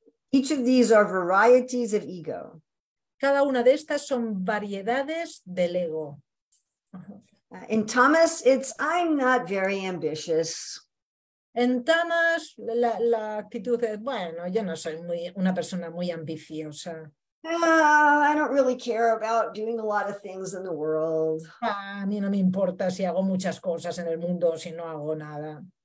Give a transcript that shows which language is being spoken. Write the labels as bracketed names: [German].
[English] Each of these are varieties of ego. [Spanish] Cada una de estas son variedades del ego. [English] In tamas, it's I'm not very ambitious. [Spanish] En tamas, la actitud es, bueno, yo no soy una persona muy ambiciosa. [English] I don't really care about doing a lot of things in the world. [Spanish] A mí no me importa si hago muchas cosas en el mundo o si no hago nada.